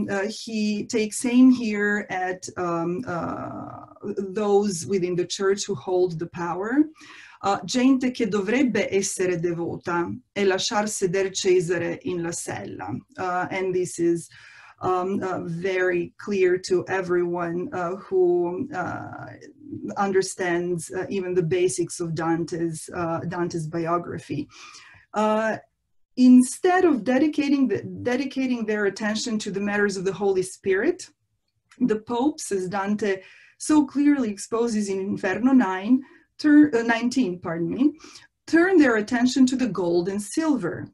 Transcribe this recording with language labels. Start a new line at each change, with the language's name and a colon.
English: He takes aim here at those within the church who hold the power.
Italian: Gente che dovrebbe essere devota e lasciar seder Cesare in la sella.
English: And this is very clear to everyone who understands even the basics of Dante's biography. Instead of dedicating their attention to the matters of the Holy Spirit, the popes, as Dante so clearly exposes in Inferno 19, turn their attention to the gold and silver.